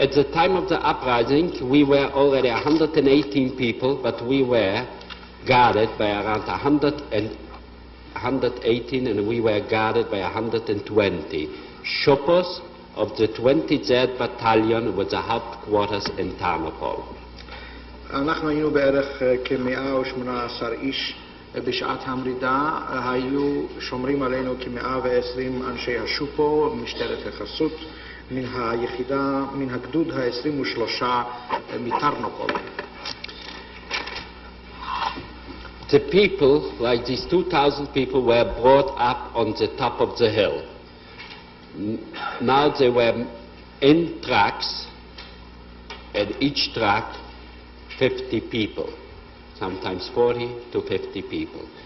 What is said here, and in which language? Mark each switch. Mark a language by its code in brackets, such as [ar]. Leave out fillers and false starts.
[en] At the time of the uprising, we were already 118 people, but we were guarded by around 118, and we were guarded by 120 shoppers of the 23rd battalion with the headquarters in Tarnopol. [he] אנחנו היינו בערך כ-118 איש בשעת המרידה, היו שומרים עלינו כ-120 אנשי השופו, משטרת החסות, מן היחידה, מן הגדוד ה-23 מטרנופול. [en] The people, like these 2,000 people, were brought up on the top of the hill. Now they were in trucks, and each truck 50 people, sometimes 40 to 50 people.